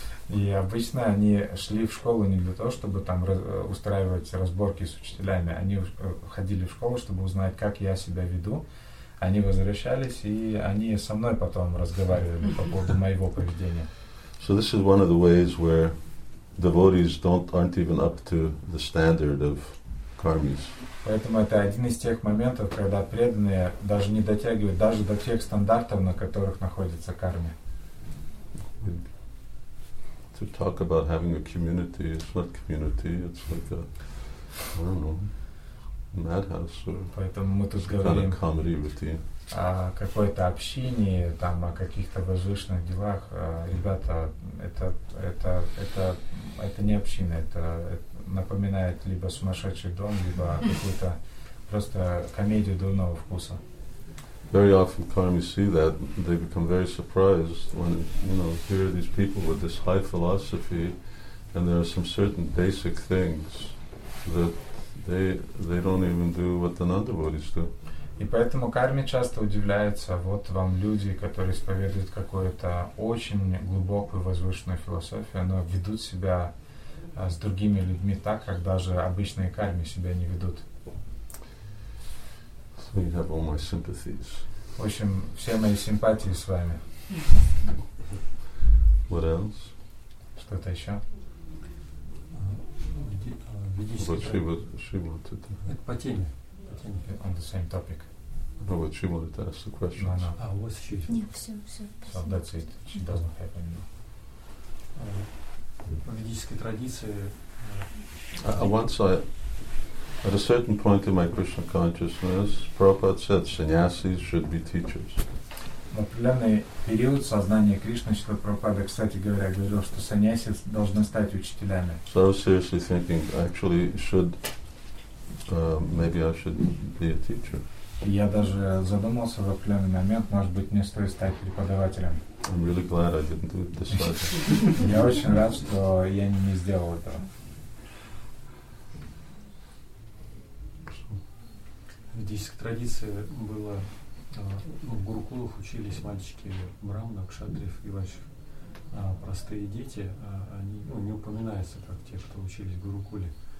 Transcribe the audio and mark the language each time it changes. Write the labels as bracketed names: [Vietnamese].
[Russian] И обычно они шли в школу не для того, чтобы там устраивать разборки с учителями. Они ходили в школу, чтобы узнать, как я себя веду. Они возвращались, и они со мной потом разговаривали по поводу моего поведения. [English] So this is one of the ways where devotees aren't even up to the standard of кармис. [Russian] Поэтому это один из тех моментов, когда преданные даже не дотягивают даже до тех стандартов, на которых находится карма. [English] To talk about having a community, it's not community, it's like a, I don't know, madhouse or [Russian] поэтому мы тут говорим [English] kind of [Russian] о какой-то общине, там, о каких-то возвышенных делах. Ребята, это не община, это напоминает либо сумасшедший дом, либо какую-то просто комедию дурного вкуса. [English] Very often karmis see that, they become very surprised when, you know, here are these people with this high philosophy and there are some certain basic things that they don't even do what the non-devotees do. [Russian] И поэтому карми часто удивляются, вот вам люди, которые исповедуют какую-то очень глубокую возвышенную философию, но ведут себя с другими людьми так, как даже обычные карми себя не ведут. [English] You have all my sympathies. [Russian] В общем, все мои симпатии с вами. [English] What else? [Russian] Что-то еще? [English] What she wanted to... [Russian] Это по теме. [English] On the same topic. No, but she wanted to ask the question. No, no. [Russian] А, у вас еще есть? Нет, все. [English] So that's it. She doesn't have any. [Russian] По ведической традиции... [English] At a certain point in my Krishna consciousness, Prabhupada said, sannyasis should be teachers. [Russian] В определенный период сознания Кришны, что Прабхупада, кстати говоря, говорил, что саньяси должны стать учителями. [English] So I was seriously thinking, actually, should, maybe I should be a teacher. [Russian] Я даже задумался в определенный момент, может быть, мне стоит стать преподавателем. [English] I'm really glad I didn't do it this time. [Russian] Я очень рад, что я не сделал этого. В ведической традиции было, в гурукулах учились мальчики брахманы, кшатриев и вайшьев. А простые дети, они не упоминаются как те, кто учились в гурукуле.